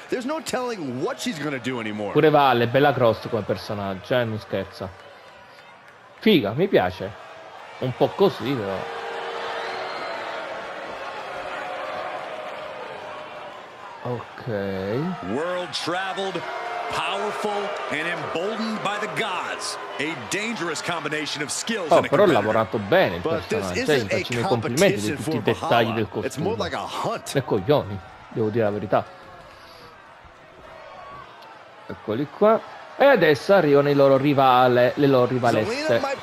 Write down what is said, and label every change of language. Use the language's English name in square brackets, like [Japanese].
[English] There's no telling what she's gonna do anymore. [Italian] Pure Vale, bella grossa come personaggio, non scherza. Figa, mi piace. Un po' così, però. Ok. [English] World traveled, powerful and emboldened by the gods. A dangerous combination of skills. [Italian] Oh, però ha lavorato bene il personaggio. Cioè, faccio i miei complimenti di tutti i dettagli del costume. Like e coglioni, devo dire la verità. Eccoli qua. E adesso arrivano i loro rivali, le loro rivalesse.